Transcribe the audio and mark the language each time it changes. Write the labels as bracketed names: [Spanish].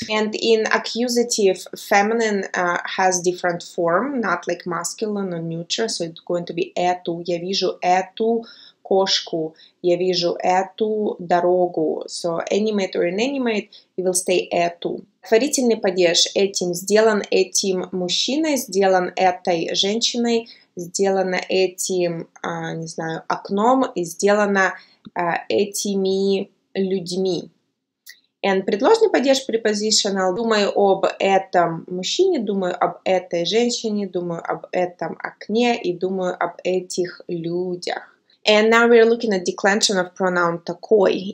[English] And in accusative, feminine has different form, not like masculine or neuter. So it's going to be эту. Я вижу эту кошку, я вижу эту дорогу. So animate or inanimate, it will stay эту. [Russian] Творительный падеж этим сделан этим мужчиной, сделан этой женщиной, сделано этим, не знаю, окном, сделано этими людьми. [English] And [Russian] предложный падеж [English] prepositional. [Russian] Думаю об этом мужчине, думаю об этой женщине, думаю об этом окне и думаю об этих людях. [English] And now we are looking at declension of pronoun такой.